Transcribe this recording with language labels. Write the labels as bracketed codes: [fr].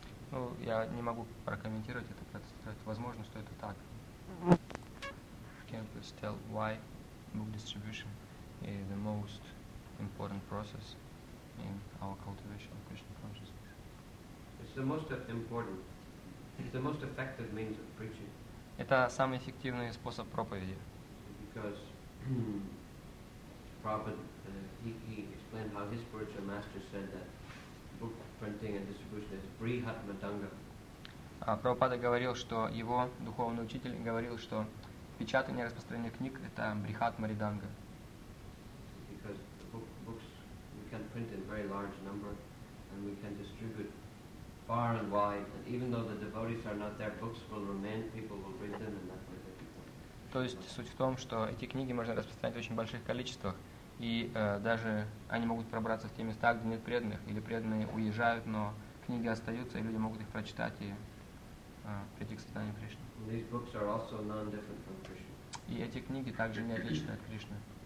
[ru] Ну, я не могу прокомментировать это, сказать, возможно, что это так. [en] Can you tell why book distribution is the most important process in our cultivation of Krishna consciousness? It's the most effective means of preaching. [ru] Это самый эффективный способ проповеди. [en] Because Prabhupada, he explained how his spiritual master said that book printing and distribution is brihat madanga. [ru] Прабхупада говорил, что его духовный учитель говорил, что печатание и распространение книг это брихат мариданга. [en] Because books we can print in very large number and we can distribute far and wide, and even though the devotees are not there, books will remain, people will read them, and that way they people. [ru] То есть суть в том, что эти книги можно распространять в очень больших количествах. И даже они могут пробраться в те места, где нет преданных, или преданные уезжают, но книги остаются, и люди могут их прочитать и прийти к сознанию Кришны. [en] These books are also non-different from Krishna. [ru] И эти книги также не отличны от Кришны.